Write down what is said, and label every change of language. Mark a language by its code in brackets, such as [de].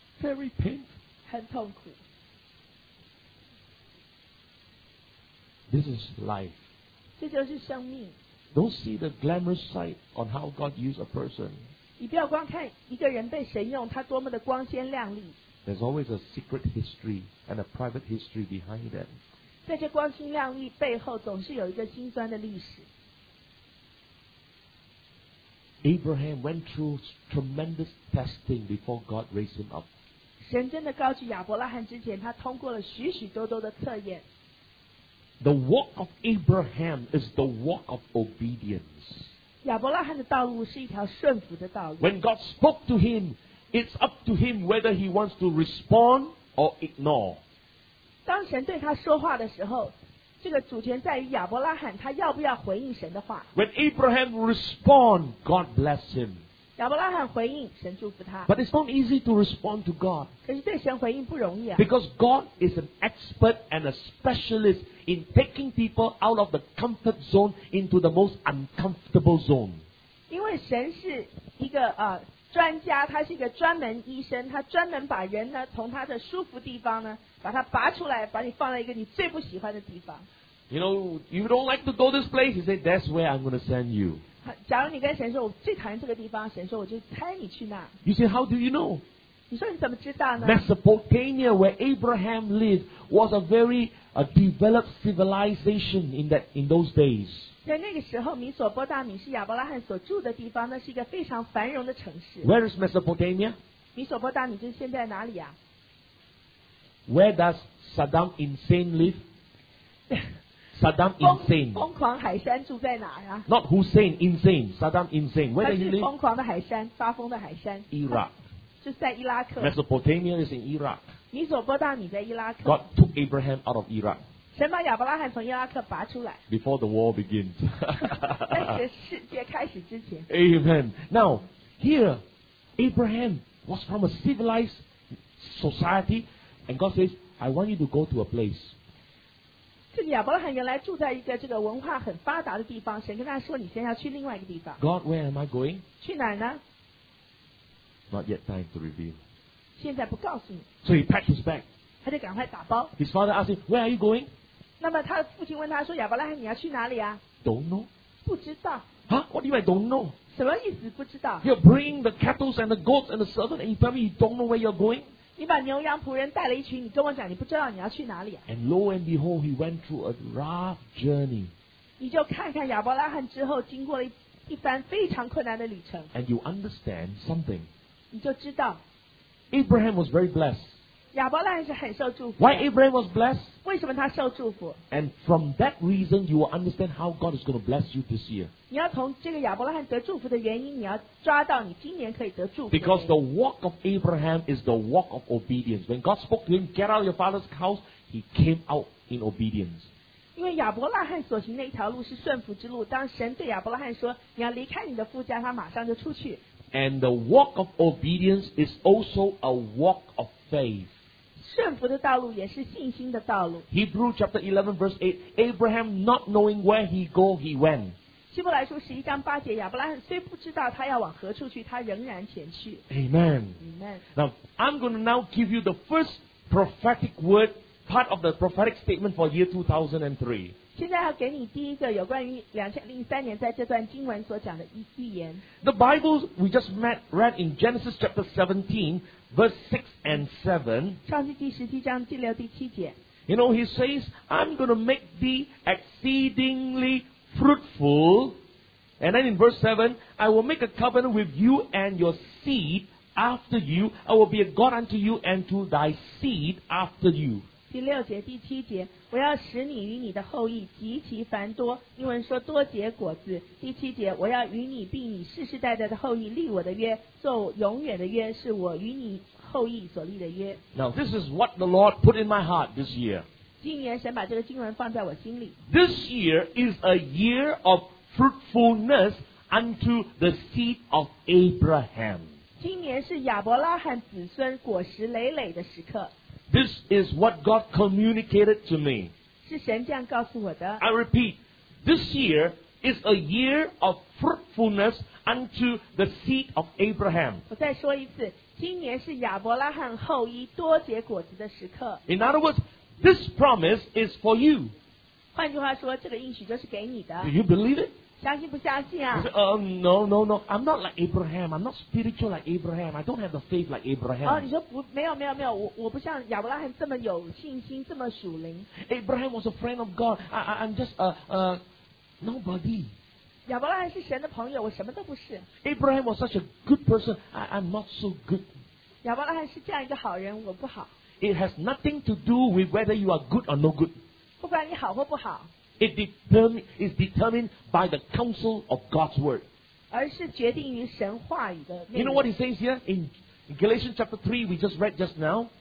[en] Very painful. [zh] 很痛苦。 [en] This is life. [zh] 这就是生命。 [en] Don't see the glamorous side on how God used a person. [zh] 你不要光看一个人被神用，他多么的光鲜亮丽。 [en] There's always a secret history and a private history behind them. [zh] 在这光鲜亮丽背后，总是有一个辛酸的历史。 [en] Abraham went through tremendous testing before God raised him up. [zh] 神真的高举亚伯拉罕之前，他通过了许许多多的测验。 [en] The walk of Abraham is the walk of obedience. [zh] 亚伯拉罕的道路是一条顺服的道路。 [en] When God spoke to him, it's up to him whether he wants to respond or ignore. [zh] 当神对他说话的时候，这个主权在于亚伯拉罕，他要不要回应神的话。 [en] When Abraham respond, God bless him. [zh] 亚伯拉罕回应，神祝福他。 [en] But it's not easy to respond to God. [zh] 可是对神回应不容易啊。 [en] Because God is an expert and a specialist in taking people out of the comfort zone into the most uncomfortable zone. [zh] 因为神是一个专家，他是一个专门医生，他专门把人呢从他的舒服地方呢把他拔出来，把你放在一个你最不喜欢的地方。 [en] You know, you don't like to go this place. He said, "That's where I'm going to send you." [zh] 假如你跟神说，我最讨厌这个地方，神说我就猜你去那。 [en] You say, "How do you know?" [zh] 你说你怎么知道呢 [en] ？Mesopotamia, where Abraham lived, was a very developed civilization in those days. [zh] 在那个时候，米索波大米是亚伯拉罕所住的地方，那是一个非常繁荣的城市。 [en] Where is Mesopotamia? [zh] 米索波大米就是现在哪里啊 [en] ？Where does Saddam Hussein live? Saddam Hussein. [zh] 疯狂海山住在哪啊 [en] ？Not Hussein, insane. Saddam Hussein. Where does he live? [zh] 疯狂的海山，发疯的海山。 [en] Iraq. [zh] 就是在伊拉克。 [en] Mesopotamia is in Iraq. [zh] 米索波大米在伊拉克。 [en] God took Abraham out of Iraq. [zh] 神把亚伯拉罕从伊拉克拔出来。 [en] Before the war begins. [zh] 在世界开始之前。 [en] Amen. Now, here, Abraham was from a civilized society, and God says, I want you to go to a place. [zh] 这个亚伯拉罕原来住在一个这个文化很发达的地方，神跟他说你先要去另外一个地方。 [en] God, where am I going? [zh] 去哪儿呢？ [en] Not yet time to reveal. [zh] 现在不告诉你。 [en] So he packed his bag. [zh] 他就赶快打包。 [en] His father asked him, where are you going? [zh] 那么他父亲问他说亚伯拉罕你要去哪里啊？ [en] Don't know. [zh] 不知道。 [en] Huh? What do you mean, don't know? [zh] 什么意思不知道？ [en] You're bringing the cattle and the goats and the servant and you tell me you don't know where you're going? [zh] 你把牛羊仆人带了一群，你跟我讲你不知道你要去哪里、啊、 [en] And lo and behold, he went through a rough journey. [zh] 你就看看亚伯拉罕之后经过了 一番非常困难的旅程。 [en] And you understand something. [zh] 你就知道 [en] Abraham was very blessed. [zh] 亚伯拉罕是很受祝福。 [en] Why Abraham was blessed? [zh] 为什么他受祝福？ [en] And from that reason, you will understand how God is going to bless you this year. [zh] 你要从这个亚伯拉罕得祝福的原因，你要抓到你今年可以得祝福。 [en] Because the walk of Abraham is the walk of obedience. When God spoke to him, get out of your father's house, he came out in obedience. [zh] 因为亚伯拉罕所行的一条路是顺服之路，当神对亚伯拉罕说，你要离开你的父家，他马上就出去。 [en] And the walk of obedience is also a walk of faith. [zh] 顺服的道路也是信心的道路。 [en] Hebrews chapter 11 verse 8 Abraham not knowing where he go he went. [zh] 希伯来书十一章八节，亚伯拉罕虽不知道他要往何处去，他仍然前去。 [en] Amen. Amen. Now I'm going to now give you the first prophetic word, part of the prophetic statement for year 2003. [zh] 现在要给你第一个有关于2003年在这段经文所讲的预言。 [en] The Bible we just read in Genesis chapter 17. Verse 6 and 7. [zh] 创世纪十七章第六第七节。 [en] You know, he says, I'm going to make thee exceedingly fruitful. And then in verse 7, I will make a covenant with you and your seed after you. I will be a God unto you and to thy seed after you. [zh] 第六节第七节，我要使你与你的后裔极其繁多。英文说多结果子。第七节，我要与你并你世世代代的后裔立我的约，做永远的约，是我与你后裔所立的约。 [en] Now this is what the Lord put in my heart this year. [zh] 今年神把这个经文放在我心里。 [en] This year is a year of fruitfulness unto the seed of Abraham. [zh] 今年是亚伯拉罕子孙果实累累的时刻。 [en] This is what God communicated to me. [zh] 是神这样告诉我的。 [en] I repeat, this year is a year of fruitfulness unto the seed of Abraham. [zh] 我再说一次，今年是亚伯拉罕后裔多结果子的时刻。 [en] In other words, this promise is for you. [zh] 换句话说，这个应许就是给你的。 [en] Do you believe it? [zh] 相信不相信啊？ [en] Said, no, no, no. I'm not like Abraham. I'm not spiritual like Abraham. I don't have the faith like Abraham. [zh] 哦，你说不，没有，没有，没有，我不像亚伯拉罕这么有信心，这么属灵。 [en] Abraham was a friend of God. I'm just nobody. [zh] 亚伯拉罕是神的朋友，我什么都不是。 [en] Abraham was such a good person. I'm not so good. [zh] 亚伯拉罕是这样一个好人，我不好。 [en] It has nothing to do with whether you are good or no good. [zh] 不管你好或不好。 [en] It is determined by the counsel of God's word. [zh] 而是决定于神话语的。 [en] You know what he says here in Galatians chapter 3 we just read just now?